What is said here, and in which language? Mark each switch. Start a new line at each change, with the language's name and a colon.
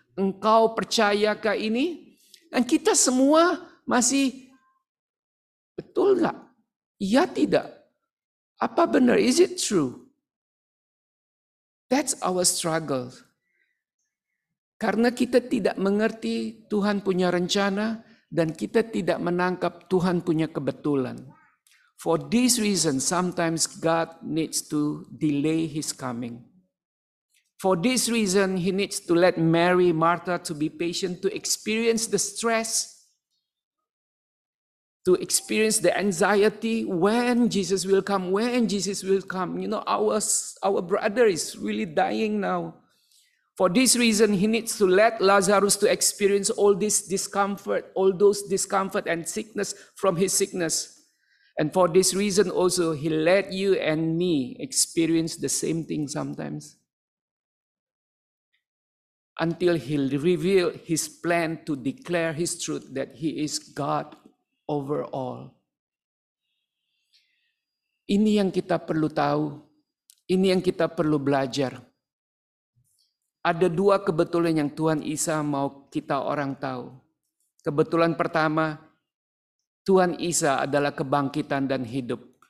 Indonesian: Engkau percayakah ini?" Dan kita semua masih, betul gak? Ya tidak? Apa benar?
English: Is it true? That's our struggle.
Indonesian: Karena kita tidak mengerti Tuhan punya rencana dan kita tidak menangkap Tuhan punya kebetulan.
English: For this reason, sometimes God needs to delay his coming. For this reason, he needs to let Mary, Martha to be patient, to experience the stress, to experience the anxiety, when Jesus will come, when Jesus will come. You know, our brother is really dying now. For this reason, he needs to let Lazarus to experience all this discomfort, all those discomfort and sickness from his sickness. And for this reason also, he let you and me experience the same thing sometimes. Until he revealed his plan to declare his truth that he is God over all.
Indonesian: Ini yang kita perlu tahu. Ini yang kita perlu belajar. Ada dua kebetulan yang Tuhan Isa mau kita orang tahu. Kebetulan pertama, Tuhan Isa adalah kebangkitan dan hidup.